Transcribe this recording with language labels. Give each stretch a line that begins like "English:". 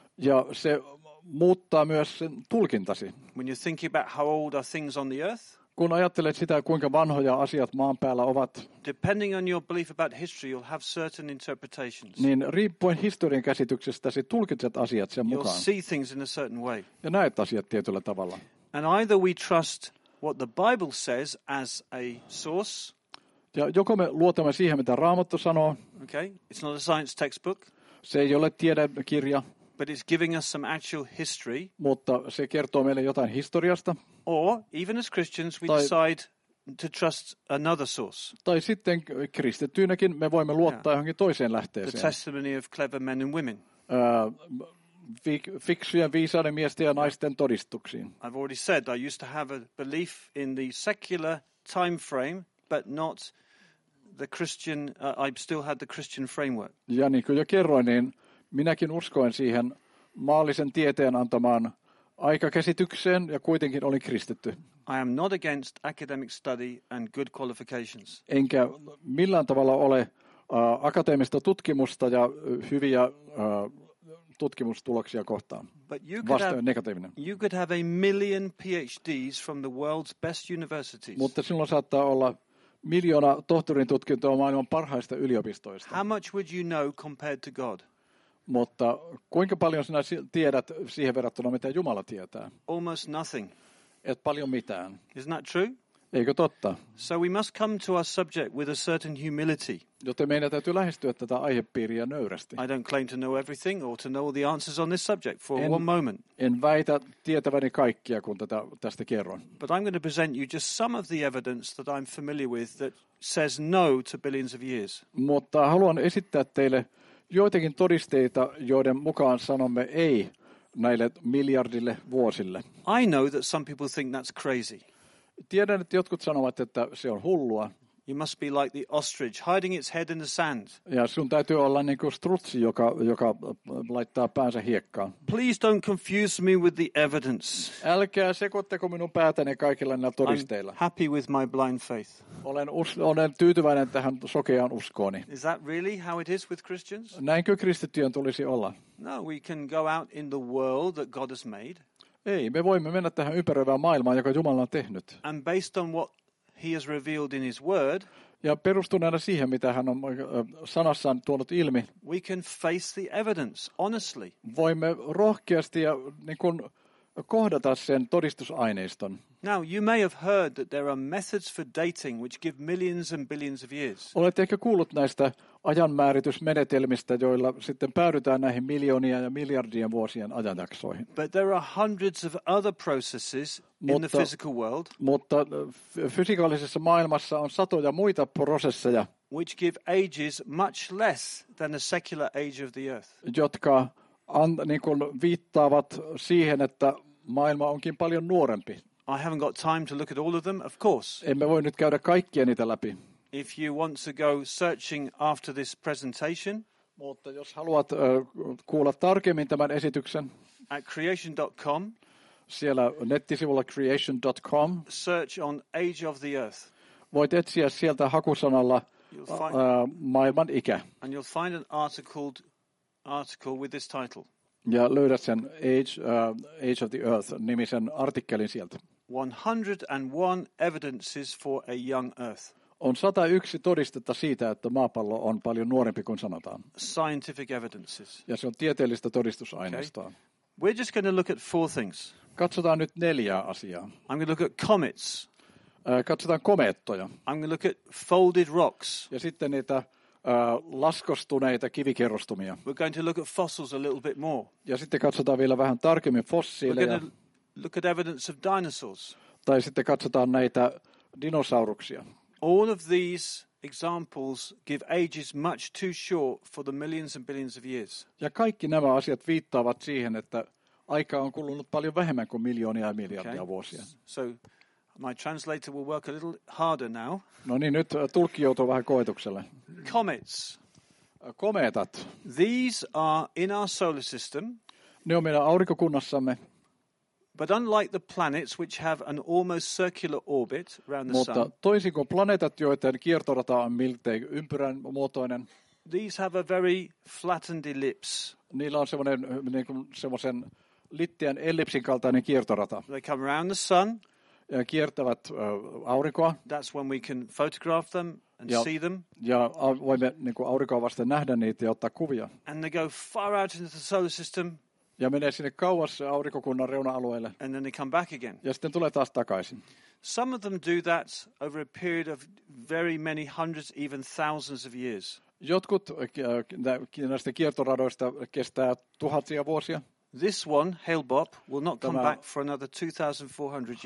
Finnish: Ja se muuttaa myös sen tulkintasi.
English: When you think about how old are things on the earth,
Finnish: kun ajattelet sitä, kuinka vanhoja asiat maan päällä ovat,
English: depending on your belief about history, you'll have certain interpretations.
Finnish: Niin riippuen historian käsityksestäsi tulkitset asiat sen mukaan.
English: You'll see things in a certain way.
Finnish: Ja näet asiat tietyllä tavalla.
English: And either we trust what the Bible says as a source.
Finnish: Ja joko me luotamme siihen, mitä Raamattu sanoo.
English: Okay, it's not a science textbook.
Finnish: Se ei ole tiedekirja.
English: But it's giving us some actual history.
Finnish: Mutta se kertoo meille jotain historiasta.
English: Or even as Christians we decide to trust another source.
Finnish: Tai sitten kristittyinäkin me voimme luottaa johonkin toiseen lähteeseen.
English: The testimony of clever men and women.
Finnish: Fiksujen viisaiden miesten ja naisten todistuksiin.
English: I've already said I used to have a belief in the secular time frame, but not the Christian. I still had the Christian framework.
Finnish: Ja niin kuin jo kerroin, niin minäkin uskoin siihen maallisen tieteen antamaan aikakäsitykseen ja kuitenkin olin kristitty.
English: I am not against academic study and good qualifications.
Finnish: Enkä millään tavalla ole akateemista tutkimusta ja hyviä tutkimustuloksia kohtaan.
English: But you
Finnish: negatiivinen.
English: You could have a million PhDs from the world's best universities.
Finnish: Mutta sinulla saattaa olla miljoona tohtorin tutkintoa maailman parhaista yliopistoista.
English: How much would you know compared to God?
Finnish: Mutta kuinka paljon sinä tiedät siihen verrattuna, mitä Jumala tietää?
English: Almost nothing.
Finnish: Et paljon mitään.
English: Isn't that true?
Finnish: Eikö totta?
English: So we must come to our subject with a certain humility.
Finnish: Joten meidän täytyy lähestyä tätä aihepiiriä nöyrästi.
English: I don't claim to know everything or to know all the answers on this subject for one moment.
Finnish: En väitä tietäväni kaikkia, kun tästä kerron.
English: But I'm going to present you just some of the evidence that I'm familiar with that says no to billions of years.
Finnish: Mutta haluan esittää teille joitakin todisteita, joiden mukaan sanomme ei näille miljardille vuosille.
English: I know that some people think that's crazy.
Finnish: Tiedän, että jotkut sanovat, että se on hullua.
English: You must be like the ostrich hiding its head in the sand.
Finnish: Ja sun täytyy olla niin kuin strutsi, joka laittaa päänsä hiekkaan.
English: Please don't confuse me with the evidence.
Finnish: Älkää sekoittako minun päätäni kaikilla näillä todisteilla.
English: I'm happy with my blind faith.
Finnish: Olen tyytyväinen tähän sokeaan uskooni.
English: Is that really how it is with Christians?
Finnish: Näinkö kristittyjen tulisi olla?
English: No, we can go out in the world that God has made.
Finnish: Ei, me voimme mennä tähän ympäröivään maailmaan, joka Jumala on tehnyt.
English: And based on what He has revealed in His Word.
Finnish: Ja perustuneena siihen, mitä hän on sanassaan tuonut ilmi.
English: We can face the evidence honestly.
Finnish: Voimme rohkeasti ja niin kuin kohdata sen todistusaineiston.
English: Now you may have heard that there are methods for dating which give millions and billions of years.
Finnish: Olet ehkä kuullut näistä ajanmääritysmenetelmistä, joilla sitten päädytään näihin miljoonia ja miljardien vuosien ajanjaksoihin.
English: But there are hundreds of other processes in the physical world.
Finnish: Mutta fysikaalisessa maailmassa on satoja muita prosesseja,
English: which give ages much less than the secular age of the earth.
Finnish: Jotka niin kuin viittaavat siihen, että maailma onkin paljon nuorempi.
English: I haven't got time to look at all of them, of course.
Finnish: Emme voi nyt käydä kaikkia niitä läpi.
English: If you want to go searching after this presentation,
Finnish: mutta jos haluat kuulla tarkemmin tämän esityksen,
English: at creation.com,
Finnish: siellä nettisivulla creation.com,
English: search on age of the earth.
Finnish: Voit etsiä sieltä hakusanalla maailman ikä.
English: And you'll find an article with this title.
Finnish: Ja löydät sen Age of the Earth -nimisen artikkelin sieltä.
English: 101 evidences for a young earth.
Finnish: On 101 todistetta siitä, että maapallo on paljon nuorempi kuin sanotaan.
English: Scientific evidences.
Finnish: Ja se on tieteellistä todistusaineistoa.
English: Okay. We're just going to look at four things.
Finnish: Katsotaan nyt neljää asiaa.
English: I'm going to look at comets.
Finnish: Katsotaan komeettoja.
English: I'm going to look at folded rocks.
Finnish: Ja sitten niitä laskostuneita kivikerrostumia.
English: We're going to look at fossils a little bit more.
Finnish: Ja sitten katsotaan vielä vähän tarkemmin fossiileja.
English: We're going to look at evidence of dinosaurs.
Finnish: Tai sitten katsotaan näitä dinosauruksia.
English: All of these examples give ages much too short for the millions and billions of years.
Finnish: Ja kaikki nämä asiat viittaavat siihen, että aika on kulunut paljon vähemmän kuin miljoonia ja miljardia okay. vuosia.
English: So my translator will work a little harder now.
Finnish: No niin, nyt tulkki joutuu vähän koetukselle.
English: Comets.
Finnish: Kometat.
English: These are in our solar system.
Finnish: Ne on meidän aurinkokunnassamme.
English: But unlike the planets which have an almost circular orbit around the
Finnish: mutta
English: sun.
Finnish: Mutta toisin kuin planeetat, joiden kiertorata on miltei ympyrän muotoinen.
English: These have a very flattened ellipse.
Finnish: Niillä on semmoinen niin kuin semmoisen litteän ellipsin kaltainen kiertorata.
English: They come around the sun.
Finnish: Ja kiertävät aurinkoa.
English: That's when we can photograph them and
Finnish: ja,
English: see them.
Finnish: Ja voimme niin kuin aurinkoa vasten nähdä niitä ja ottaa kuvia.
English: And they go far out into the solar system.
Finnish: Ja menee sinne kauas aurinkokunnan reuna-alueelle.
English: And then they come back again.
Finnish: Ja sitten tulee taas takaisin.
English: Some of them do that over a period of very many hundreds, even thousands of years.
Finnish: Jotkut näistä kiertoradoista kestää tuhansia vuosia.
English: This one, Hale-Bopp, will not come back for another 2,400 years.